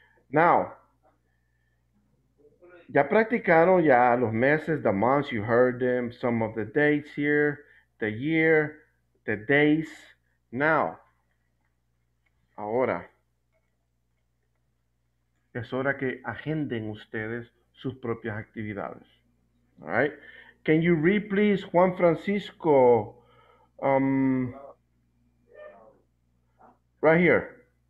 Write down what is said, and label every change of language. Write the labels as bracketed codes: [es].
[en] Now, [es] ya practicaron ya los meses, [en] the months, you heard them, some of the dates here, the year, the days. [es] Now, ahora, es hora que agenden ustedes sus propias actividades. [en] All right, can you read, please, Juan Francisco, right here.